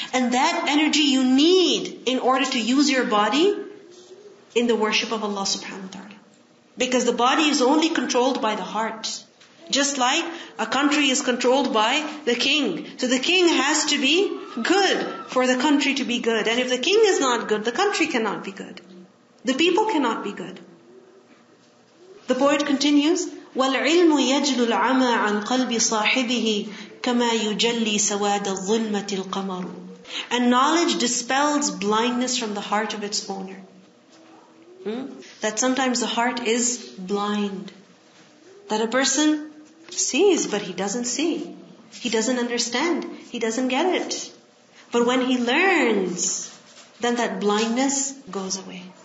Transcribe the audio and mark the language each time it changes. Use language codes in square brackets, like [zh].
[en] And that energy you need in order to use your body in the worship of Allah subhanahu wa ta'ala. Because the body is only controlled by the heart. Just like a country is controlled by the king. So the king has to be good for the country to be good. And if the king is not good, the country cannot be good. The people cannot be good. The poet continues, [ar] والعلم يجلو العمى عن قلب صاحبه كما يجلي سواد الظلمة القمر. [en] And knowledge dispels blindness from the heart of its owner. That sometimes the heart is blind. That a person sees, but he doesn't see. He doesn't understand. He doesn't get it. But when he learns, then that blindness goes away.